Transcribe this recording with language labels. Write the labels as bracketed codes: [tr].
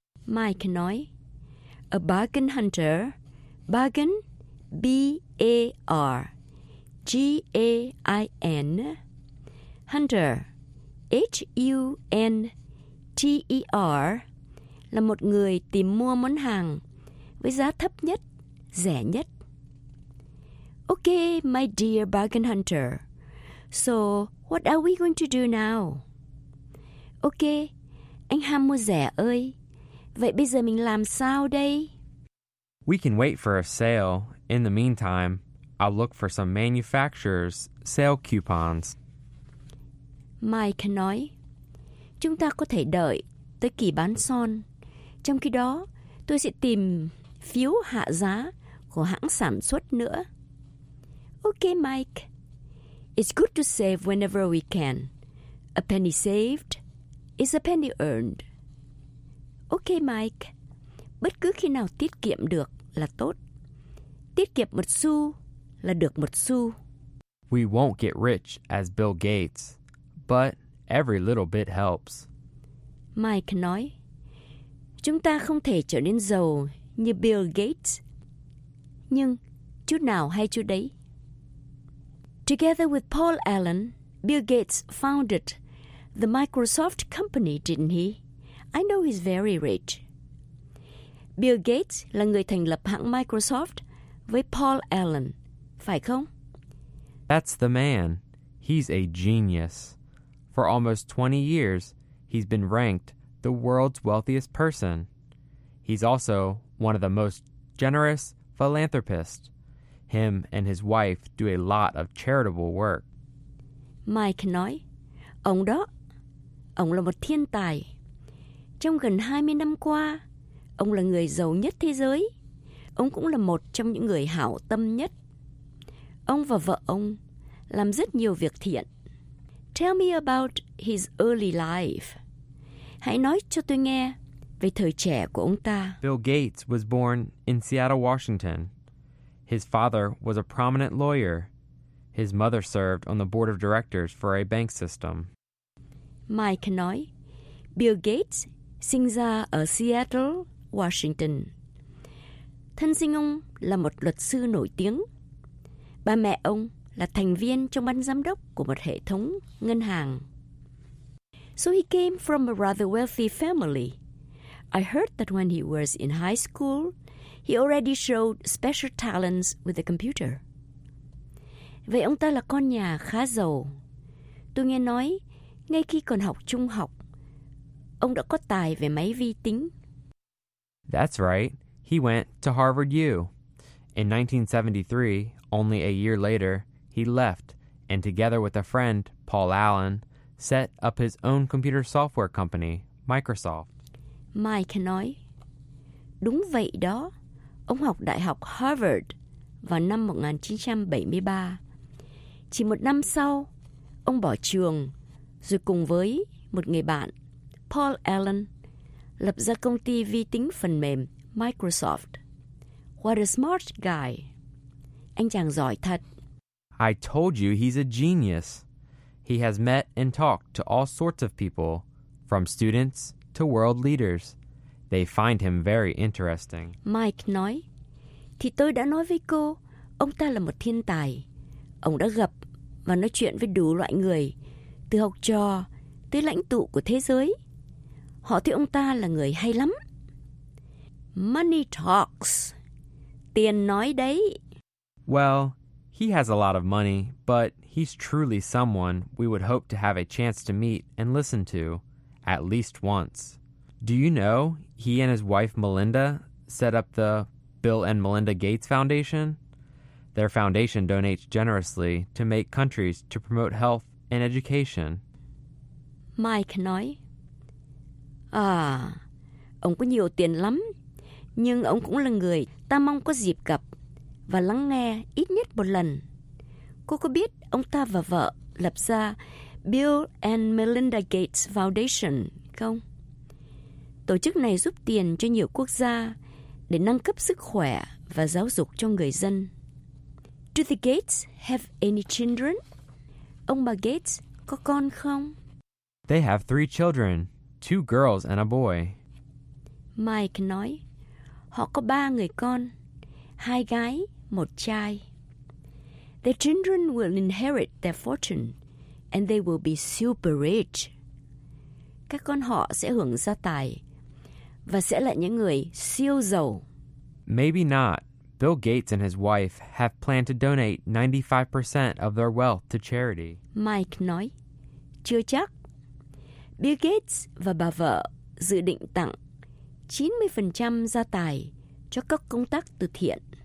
[vi] Mike nói, [en] a bargain hunter, bargain, B-A-R-G-A-I-N, hunter, H-U-N-T-E-R, [vi] là một người tìm mua món hàng với giá thấp nhất, rẻ nhất. [en] Okay, my dear bargain hunter. So, what are we going to do now? [vi] Okay, anh ham mua rẻ ơi. Vậy bây giờ mình làm sao đây? [en] We can wait for a sale. In the meantime, I'll look for some manufacturer's sale coupons. [vi] Mike nói, chúng ta có thể đợi tới kỳ bán son. Trong khi đó, tôi sẽ tìm phiếu hạ giá của hãng sản xuất nữa. [en] Okay, Mike. It's good to save whenever we can. A penny saved is a penny earned. Okay, Mike. [vi] Bất cứ khi nào tiết kiệm được là tốt. Tiết kiệm một xu là được một xu. [en] We won't get rich as Bill Gates, but every little bit helps. [vi] Mike nói, chúng ta không thể trở nên giàu như Bill Gates, nhưng chút nào hay chút đấy. [en] Together with Paul Allen, Bill Gates founded the Microsoft company, didn't he? I know he's very rich. [vi] Bill Gates là người thành lập hãng Microsoft với Paul Allen, phải không? [en] That's the man. He's a genius. For almost 20 years, he's been ranked the world's wealthiest person. He's also one of the most generous philanthropists. Him and his wife do a lot of charitable work. [vi] Mike nói, ông đó, ông là một thiên tài. Trong gần 20 năm qua, ông là người giàu nhất thế giới. Ông cũng là một trong những người hảo tâm nhất. Ông và vợ ông làm rất nhiều việc thiện. [en] Tell me about his early life. [vi] Hãy nói cho tôi nghe về thời trẻ của ông ta. [en] Bill Gates was born in Seattle, Washington. His father was a prominent lawyer. His mother served on the board of directors for a bank system. [vi] Mike nói, Bill Gates sinh ra ở Seattle, Washington. Thân sinh ông là một luật sư nổi tiếng. Ba mẹ ông là thành viên trong ban giám đốc của một hệ thống ngân hàng. [en] So he came from a rather wealthy family. I heard that when he was in high school, he already showed special talents with the computer. [vi] Vậy ông ta là con nhà khá giàu. Tôi nghe nói, ngay khi còn học trung học, ông đã có tài về máy vi tính. [en] That's right. He went to Harvard U. In 1973, only a year later, he left and together with a friend, Paul Allen, set up his own computer software company, Microsoft. [vi] Mike nói, đúng vậy đó. Ông học Đại học Harvard vào năm 1973. Chỉ một năm sau, ông bỏ trường rồi cùng với một người bạn, Paul Allen, lập ra công ty vi tính phần mềm Microsoft. [en] What a smart guy. [vi] Anh chàng giỏi thật. [en] I told you he's a genius. He has met and talked to all sorts of people, from students to world leaders. They find him very interesting. [vi] Mike nói, thì tôi đã nói với cô, ông ta là một thiên tài. Ông đã gặp và nói chuyện với đủ loại người, từ học trò tới lãnh tụ của thế giới. Họ thấy ông ta là người hay lắm. [en] Money talks. [vi] Tiền nói đấy. [en] Well, he has a lot of money, but he's truly someone we would hope to have a chance to meet and listen to at least once. Do you know he and his wife Melinda set up the Bill and Melinda Gates Foundation? Their foundation donates generously to make countries to promote health and education. [vi] Mike nói, à, ông có nhiều tiền lắm. Nhưng ông cũng là người ta mong có dịp gặp và lắng nghe ít nhất một lần. Cô có biết ông ta và vợ lập ra Bill and Melinda Gates Foundation không? Tổ chức này giúp tiền cho nhiều quốc gia để nâng cấp sức khỏe và giáo dục cho người dân. [en] Do the Gates have any children? [vi] Ông bà Gates có con không? [en] They have 3 children, 2 girls and a boy. [vi] Mike nói, họ có 3 người con, 2 gái, 1 trai. [en] Their children will inherit their fortune and they will be super rich. [vi] Các con họ sẽ hưởng gia tài và sẽ là những người siêu giàu. [en] Maybe not. Bill Gates and his wife have planned to donate 95% of their wealth to charity. [vi] Mike nói, chưa chắc. Bill Gates và bà vợ dự định tặng 90% gia tài cho các công tác từ thiện.